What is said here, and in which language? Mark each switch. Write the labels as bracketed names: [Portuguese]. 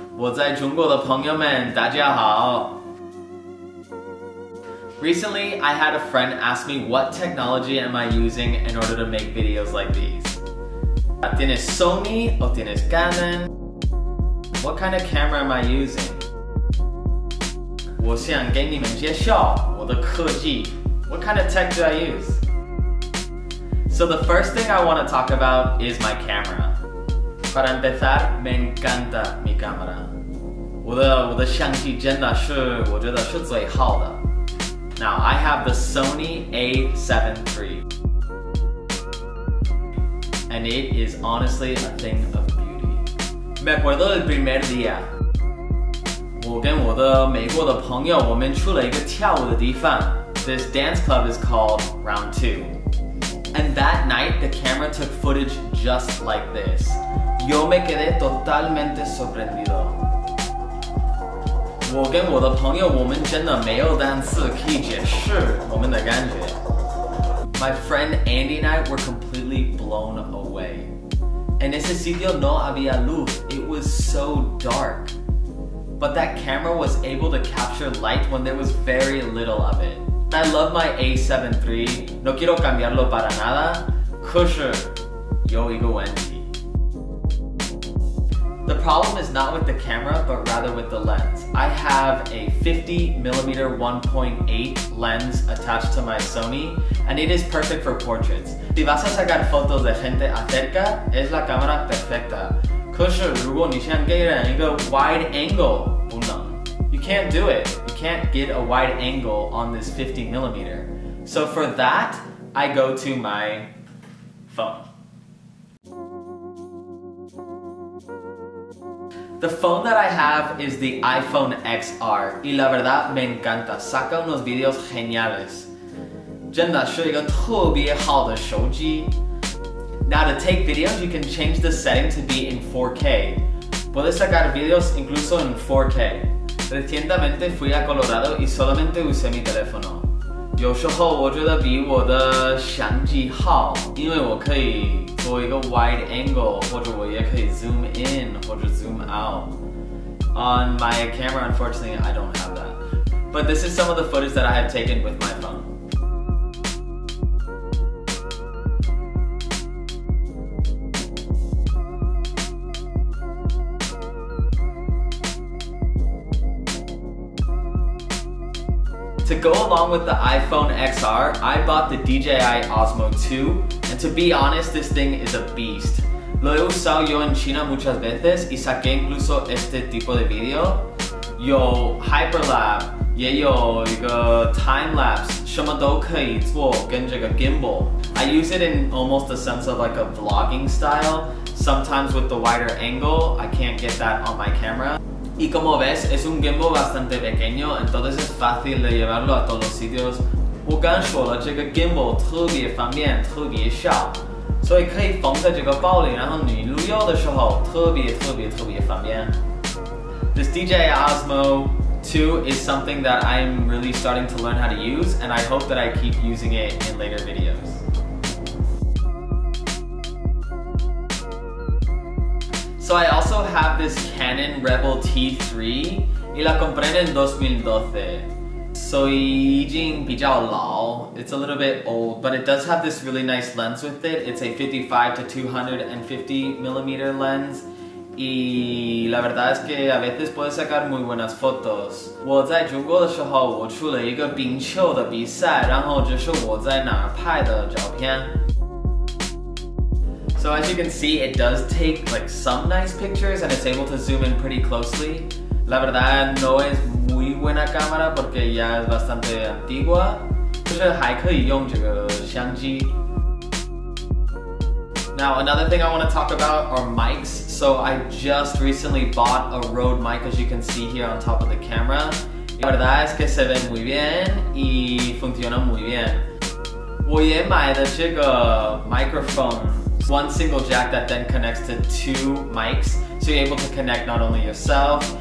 [Chinese] 我在中国的朋友们，大家好。 [English] Recently, I had a friend ask me what technology am I using in order to make videos like these. [Spanish] ¿Tienes Sony o tienes Canon? [English] What kind of camera am I using? [Chinese] 我想给你们介绍我的科技。 [English] What kind of tech do I use? So the first thing I want to talk about is my camera. [Spanish] Para empezar, me encanta mi cámara. [Chinese] 我的相机真的是我觉得是最好的。 [English] Now, I have the Sony A7III. And it is honestly a thing of beauty. [Spanish] Me acuerdo del primer día. [Chinese] 我跟我的美国的朋友我们去了一个跳舞的地方。 [English] This dance club is called Round 2. And that night, the camera took footage just like this. [Spanish] Yo me quedé totalmente sorprendido. [Chinese] 我跟我的朋友，我们真的没有单词可以解释我们的感觉。 [English] My friend Andy and I were completely blown away. [Spanish] En ese sitio no había luz. [English] It was so dark. But that camera was able to capture light when there was very little of it. I love my A7III. [Spanish] No quiero cambiarlo para nada. [English] 可是有一个问题。 The problem is not with the camera, but rather with the lens. I have a 50mm 1.8 lens attached to my Sony, and it is perfect for portraits. [Spanish] Si vas a sacar fotos de gente acerca, es la cámara perfecta. [Chinese] 可是如果你想给人一个 wide angle, 不能。 [English] You can't do it. Can't get a wide angle on this 50mm. So for that, I go to my phone. The phone that I have is the iPhone XR. [Spanish] Y la verdad, me encanta. Saca unos videos geniales. [Chinese] 真的是一个特别好的手机。 [English] Now to take videos, you can change the setting to be in 4K. [Spanish] Puedes sacar videos incluso en 4K. Recientemente fui a Colorado y solamente usé mi teléfono. [Chinese] 有时候我觉得比我的相机好，因为我可以做一个 wide angle， 或者我也可以 zoom in 或者 zoom out. [English] On my camera, unfortunately, I don't have that. But this is some of the footage that I have taken with my phone. To go along with the iPhone XR, I bought the DJI Osmo 2, and to be honest, this thing is a beast. [Spanish] Lo he usado yo en China muchas veces y saqué incluso este tipo de video. [Chinese] Yo hyperlap, ye yo time lapse, 什么都可以做跟这个 gimbal. [English] I use it in almost a sense of like a vlogging style. Sometimes with the wider angle, I can't get that on my camera. [Spanish] Y como ves, es un gimbal bastante pequeño, entonces es fácil de llevarlo a todos los sitios. [Chinese] 我刚说了，这个 gimbal 特别方便，特别小，所以可以放在这个包里，然后你旅游的时候特别特别特别方便。 [English] This DJI Osmo 2 is something that I'm really starting to learn how to use, and I hope that I keep using it in later videos. So I also have this Canon Rebel T3 [Spanish] y la compré en 2012. [English] Soy [Chinese] 已经比较老, [English] it's a little bit old, but it does have this really nice lens with it. It's a 55 to 250mm lens. [Spanish] Y la verdad es que a veces puedes sacar muy buenas fotos. [Chinese] 我在中国的时候我出了一个冰球的比赛然后这是我在哪儿拍的照片。 [English] So as you can see, it does take like some nice pictures and it's able to zoom in pretty closely. [Spanish] La verdad, no es muy buena cámara porque ya es bastante antigua. [Chinese] 就是还可以用这个相机。 [English] Now, another thing I want to talk about are mics. So I just recently bought a Rode mic as you can see here on top of the camera. [Spanish] La verdad es que se ve muy bien y funciona muy bien. [Chinese] 我也买了这个 microphone. [English] One single jack that then connects to two mics, so you're able to connect not only yourself,